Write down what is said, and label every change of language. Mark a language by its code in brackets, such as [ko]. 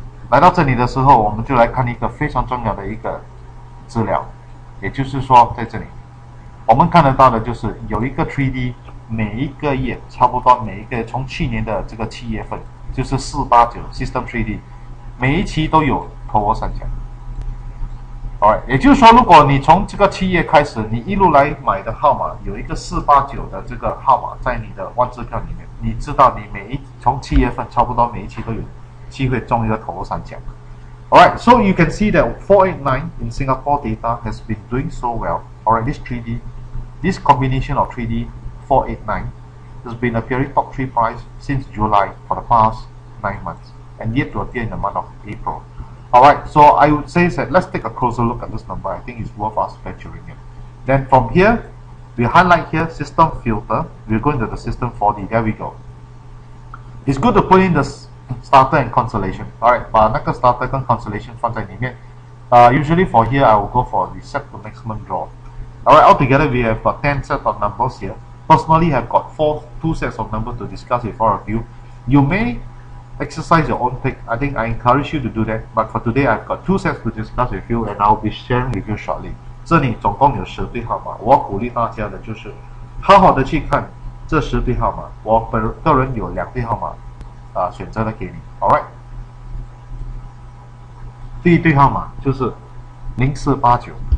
[zh] 来到这里的时候，我们就来看一个非常重要的一个资料，也就是说在这里我们看得到的就是有一个 3D每一个月，差不多每一个月，从去年的这个七月份，就是489 System 3D， 每一期都有投过三奖。 Alright， 也就是说，如果你从这个七月开始，你一路来买的号码，有一个489的这个号码在你的万字票里面，你知道你每一从七月份差不多每一期都有机会中一个投过三奖。 [en] Alright， so you can see that 489 in Singapore data has been doing so well. Alright， this combination of 3D. 489 has been appearing top 3 price since July for the past 9 months and yet to appear in the month of April. Alright, so I would say that let's take a closer look at this number. I think it's worth us venturing it. Then from here, we highlight here system filter. We're going to the system 4D. There we go. It's good to put in the starter and consolation. Alright, [zh] 把那个 starter 跟 consolation 放在里面。 [en] Usually for here, I will go for reset to maximum draw. Alright, altogether we have about 10 sets of numbers here. Personally, I've got two sets of numbers to discuss with all of you. You may exercise your own pick. I think I encourage you to do that. But for today, I've got two sets to discuss with you, and I'll be sharing with you shortly. [zh] 这里总共有十对号码，我鼓励大家的就是好好的去看这十对号码。我本个人有两对号码，选择了给你。All right，第一对号码就是0489。